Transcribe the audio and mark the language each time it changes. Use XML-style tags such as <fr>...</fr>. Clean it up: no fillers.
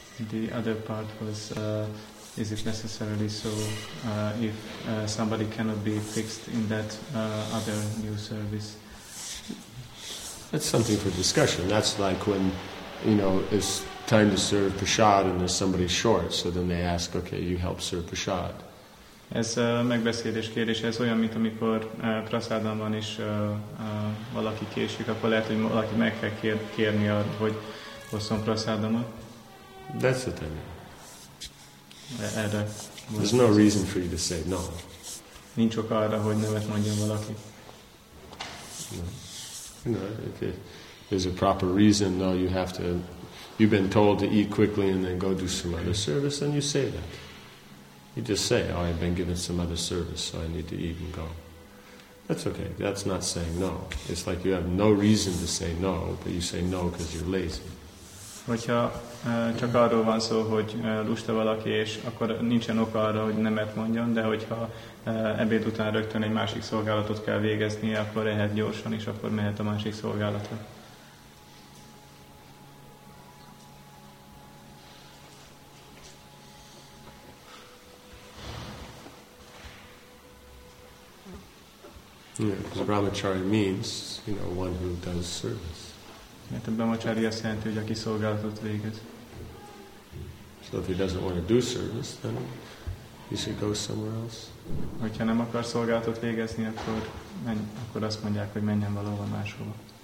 <en>The other part was, is it necessarily so, if somebody cannot be fixed in that other new service? That's something for discussion. That's like when, you know, it's time to serve prasad and there's somebody short, so then they ask, okay, you help serve prasad.</en> <hu>Ez megbeszélés kérdése. Ez olyan, mint amikor prasadon van és valaki késik, akkor lehet, hogy valaki meg kell kérni arra, hogy hozzon prasadomat.</hu> <en>That's the thing.</en> <hu>Erre.</hu> <en>There's no reason for you to say no.</en> <hu>Nincs ok arra, hogy nevet mondjon valaki.</hu> <en>You know, if there's a proper reason, though, you have to, you've been told to eat quickly and then go do some other service, then you say that. You just say, oh, I've been given some other service, so I need to eat and go. That's okay. That's not saying no. It's like you have no reason to say no, but you say no because you're lazy.</en> <hu>Hogyha csak arról van szó, hogy lusta valaki, és akkor nincsen oka arra, hogy nemet mondjon, de hogyha ebéd után rögtön egy másik szolgálatot kell végeznie, akkor ehet gyorsan, és akkor mehet a másik szolgálatra.</hu> <en>Yeah, brahmachari means, you know, one who does service.</en> <hu>Mert a brahmacsári azt jelenti, hogy aki szolgálatot végez.</hu> <en>So if he doesn't want to do service, then he should go somewhere else.</en> <hu>Hogyha nem akar szolgálatot végezni, akkor akkor azt mondják, hogy menjen valahova máshova.</hu>